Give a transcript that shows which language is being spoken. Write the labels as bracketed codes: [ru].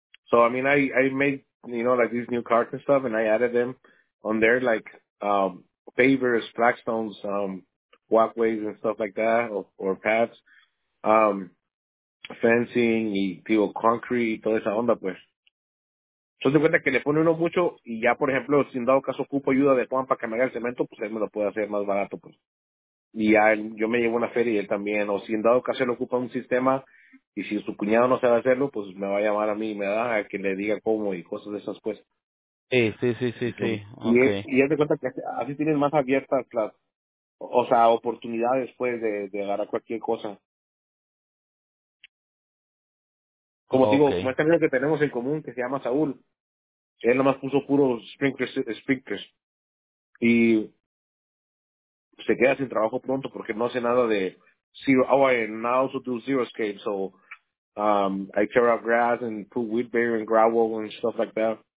[en] So, I mean, I made, you know, like these new carts and stuff, and I added them on there, like, pavers, flagstones, walkways and stuff like that, or paths, fencing, y digo, concrete, [es] toda esa onda, pues. Entonces, cuenta que le pone uno mucho, y ya, por ejemplo, si en dado caso ocupo ayuda de Juan para que me haga el cemento, pues él me lo puede hacer más barato, pues. Y ya, yo me llevo una feria y él también, o si en dado caso él ocupa un sistema, y si su cuñado no sabe hacerlo, pues me va a llamar a mí y me da a que le diga cómo y cosas de esas, pues. Sí. Y okay. Y él te cuenta que así tienes más abiertas las, o sea, oportunidades, pues, de agarrar cualquier cosa. Como okay. Digo, como este amigo que tenemos en común, que se llama Saúl, él nomás puso puros sprinklers, y se queda sin trabajo pronto porque no hace nada de zero. [en] Oh, and I also do xeriscape, so I tear up grass and put weed barrier and gravel and stuff like that.